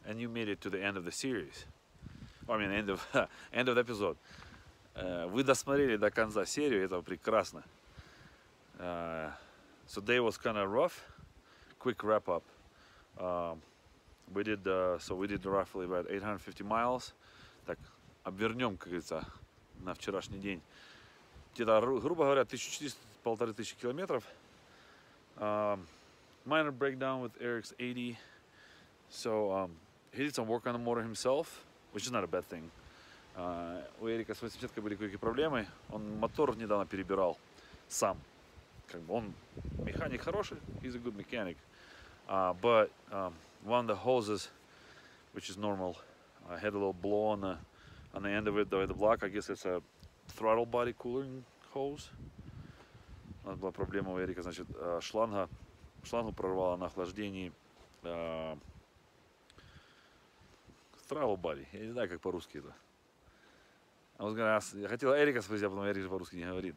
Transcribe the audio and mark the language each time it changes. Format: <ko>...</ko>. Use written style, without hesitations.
<en>Made it to the end of the series, or, I mean end of the episode.</en> <ru>Вы досмотрели до конца серию, это прекрасно.</ru> <en>So day was kind of rough. Quick wrap up. We did roughly about 850 miles.</en> <ru>Так, обернем, как говорится, на вчерашний день. где-то, грубо говоря, 1400-1500 километров.</ru> <en>Minor breakdown with Eric's 80. So he did some work on the motor himself, which is not a bad thing.</en> <ru>У Эрика с 80-кой были какие-то проблемы. Он мотор недавно перебирал сам. Как бы он механик хороший,</ru> <en>he's a good mechanic.</en> <ru>But one of the hoses, which is normal, had a little blow on the end of it, the block. I guess it's a throttle body cooling hose. У нас была проблема у Эрика, значит, шланга. Шлангу прорвало на охлаждении.</ru> <en>Throttle body.</en> <ru>Я не знаю, как по-русски это. Я хотел Эрика спросить, а потом Эрик же по-русски не говорит.</ru>